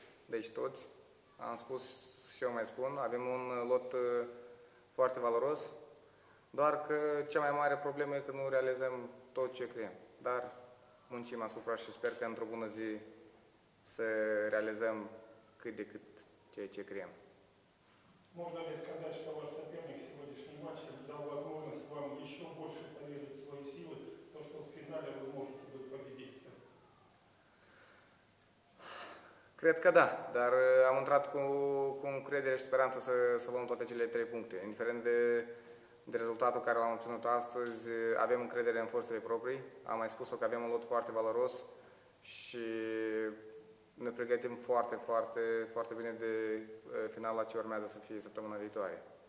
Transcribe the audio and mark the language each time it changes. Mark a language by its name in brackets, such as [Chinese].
[Romanian] Deci toți, am spus și eu mai spun, avem un lot foarte valoros, doar că cea mai mare problemă e că nu realizăm tot ce creăm. Dar muncim asupra și sper că într-o bună zi să realizăm cât de cât ceea ce creăm. [Russian] Можно ли сказать, что ваш соперник в сегодняшнем матче дал возможность вам еще больше поверить в свои силы, то, что в финале вы можете быть победителем? [Romanian] Cred că da, dar am intrat cu încredere și speranță să luăm toate cele 3 puncte. Indiferent de rezultatul care l-am obținut astăzi, avem încredere în forțele proprii. Am mai spus-o că avem un lot foarte valoros și ne pregătim foarte, foarte, foarte bine de finala ce urmează să fie săptămâna viitoare.